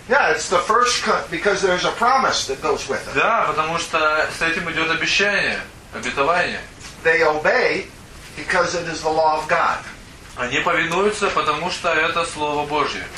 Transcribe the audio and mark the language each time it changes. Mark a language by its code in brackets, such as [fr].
[en] Yeah, it's the first because there's a promise that goes with it. [ru] Да, потому что с этим идет обещание, обетование. [en] They obey because it is the law of God. [ru] Они повинуются, потому что это слово Божье.